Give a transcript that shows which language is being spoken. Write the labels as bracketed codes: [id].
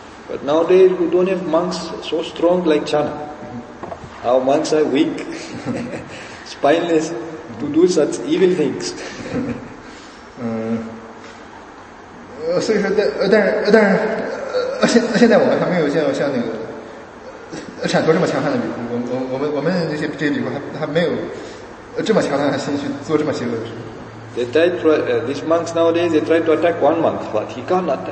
[en] But nowadays we don't have monks so strong like Chana. Our monks are weak, spineless, to do such evil things. [zh] 所以说，但是，现在我们还没有见到像那个铲陀这么强悍的比库。我们这些比库还没有这么强悍的心去做这么邪恶的事。 [en] They try to, these monks nowadays they try to attack one monk, but he cannot.